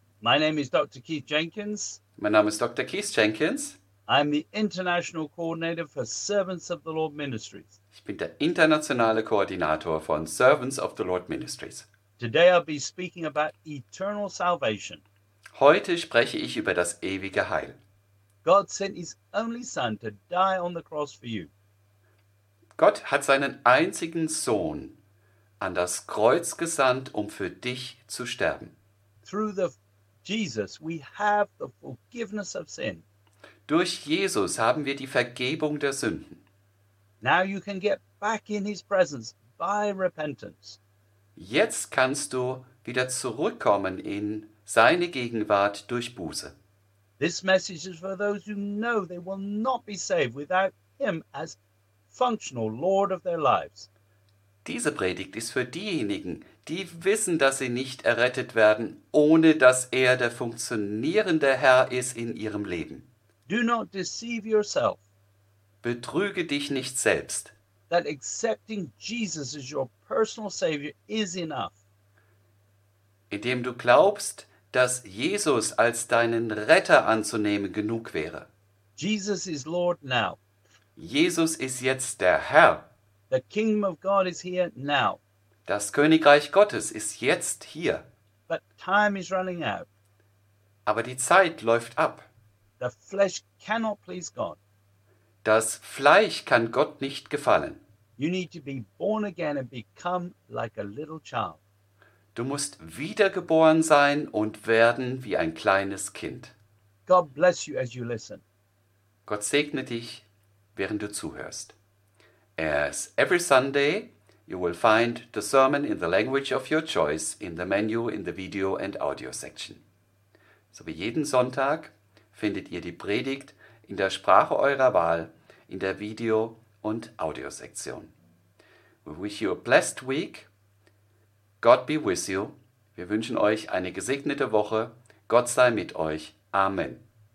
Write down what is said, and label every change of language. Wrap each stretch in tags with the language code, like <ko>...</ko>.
<en>My name is Dr. Keith Jenkins.</en> <de>Mein Name ist Dr. Keith Jenkins.</de> <en>I'm the International Coordinator for Servants of the Lord Ministries.</en> <de>Ich bin der internationale Koordinator von Servants of the Lord Ministries.</de> <en>Today I'll be speaking about eternal salvation.</en> <de>Heute spreche ich über das ewige Heil.</de> <en>God sent his only son to die on the cross for you.</en> <de>Gott hat seinen einzigen Sohn an das Kreuz gesandt, um für dich zu sterben.</de> <en>Through Jesus we have the forgiveness of sin.</en> <de>Durch Jesus haben wir die Vergebung der Sünden.</de> <en>Now you can get back in his presence by repentance.</en> <de>Jetzt kannst du wieder zurückkommen in seine Gegenwart durch Buße.</de> <en>This message is for those who know they will not be saved without him as functional Lord of their lives.</en> <de>Diese Predigt ist für diejenigen, die wissen, dass sie nicht errettet werden, ohne dass er der funktionierende Herr ist in ihrem Leben.</de> <en>Do not deceive yourself.</en> <de>Betrüge dich nicht selbst.</de> <en>That accepting Jesus as your personal Savior is enough.</en> <de>Indem du glaubst, dass Jesus als deinen Retter anzunehmen genug wäre.</de> <en>Jesus is Lord now.</en> <de>Jesus ist jetzt der Herr.</de> <en>The kingdom of God is here now.</en> <de>Das Königreich Gottes ist jetzt hier.</de> <en>But time is running out.</en> <de>Aber die Zeit läuft ab.</de> <en>The flesh cannot please God.</en> <de>Das Fleisch kann Gott nicht gefallen.</de> <en>You need to be born again and become like a little child.</en> <de>Du musst wiedergeboren sein und werden wie ein kleines Kind.</de> <en>God bless you as you listen.</en> <de>Gott segne dich, während du zuhörst.</de> <en>As every Sunday, you will find the sermon in the language of your choice in the menu in the video and audio section.</en> <de>So wie jeden Sonntag findet ihr die Predigt in der Sprache eurer Wahl in der Video- und Audio-Sektion.</de> <en>We wish you a blessed week. God be with you.</en> <de>Wir wünschen euch eine gesegnete Woche. Gott sei mit euch. Amen.</de>